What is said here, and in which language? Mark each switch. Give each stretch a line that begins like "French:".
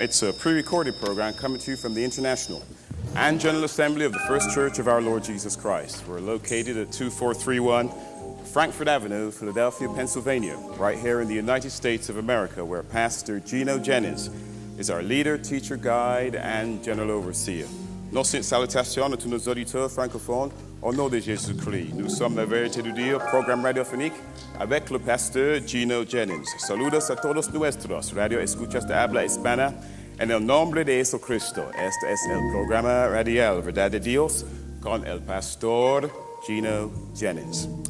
English: It's a pre-recorded program coming to you from the International and General Assembly of the First Church of our Lord Jesus Christ. We're located at 2431 Frankfort Avenue, Philadelphia, Pennsylvania, right here in the United States of America, where Pastor Gino Jennings is our leader, teacher, guide, and general overseer.
French: Nos salutations à tous nos auditeurs francophones. Au nom de Jésus-Christ, nous sommes la vérité de Dieu, programme radiophonique avec le pasteur Gino Jennings.
Spanish: Saludos a todos nuestros, radio escuchas de habla hispana, en el nombre de Jesucristo. Este es el programa radial, verdad de Dios, con el pastor Gino Jennings.